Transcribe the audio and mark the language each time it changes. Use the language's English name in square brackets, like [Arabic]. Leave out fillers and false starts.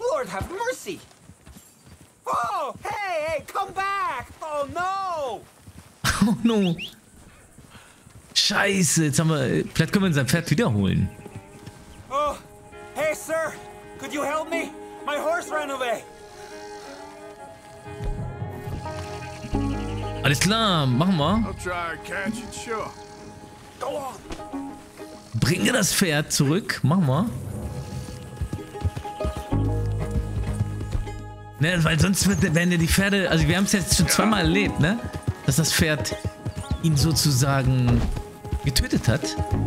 [English] Have mercy. Oh, hey, hey, come back. Oh no. Oh no. [German] Scheiße, jetzt haben wir, vielleicht können wir sein Pferd wiederholen. [English] Oh, hey, sir, could you help me? My horse ran away. [German] Alles klar, machen wir. [English] I'll try and catch it, sure. Go on. [German] Bringe das Pferd zurück, machen wir. Ne, weil sonst werden ja die Pferde, also wir haben es jetzt schon zweimal erlebt, ne? Dass das Pferd ihn sozusagen getötet hat.